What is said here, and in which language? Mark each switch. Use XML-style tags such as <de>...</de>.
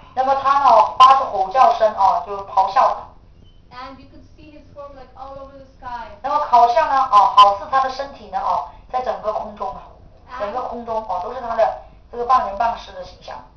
<zh>那么他呢发出吼叫声就是咆哮的。</zh> <en>And you could see his form like all over the sky.</en> <zh>那么好像呢好似他的身体呢在整个空中整个空中都是他的这个半人半狮的形象。</zh>